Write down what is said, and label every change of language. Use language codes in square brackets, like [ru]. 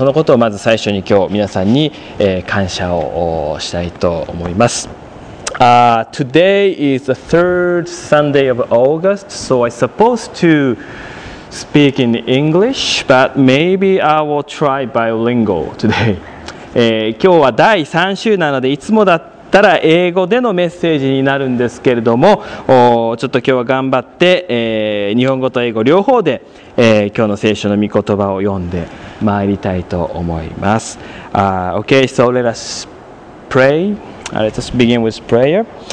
[ja] そのことをまず最初に今日皆さんに、感謝をしたいと思います。 [en] Today is the third Sunday of August, so I'm supposed to speak in English, but maybe I will try bilingual today. [ja] 今日は第3週なので、いつもだったら英語でのメッセージになるんですけれども、ちょっと今日は頑張って、日本語と英語両方で、今日の聖書の御言葉を読んでまいりたいと思います。 [en] Okay, so let us pray. Let us begin with prayer.